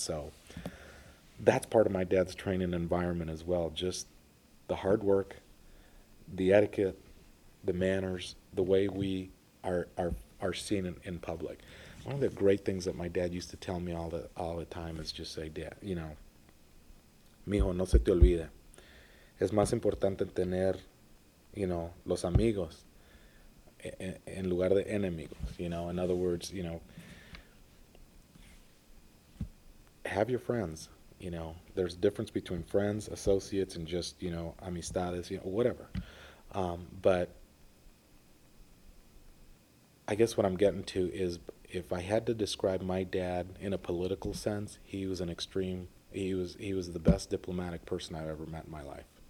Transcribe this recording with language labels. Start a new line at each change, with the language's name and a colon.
English: So that's part of my dad's training environment as well, just the hard work, the etiquette, the manners, the way we are seen in public. One of the great things that my dad used to tell me all the time is just say, Dad, you know, mijo,
Spanish: no se te olvide. Es más importante tener,
English: you know,
Spanish: los amigos en lugar de enemigos.
English: You know, in other words, you know, have your friends. You know, there's a difference between friends, associates, and just, you know, amistades, you know, whatever. But I guess what I'm getting to is if I had to describe my dad in a political sense, he was an extreme, he was the best diplomatic person I've ever met in my life.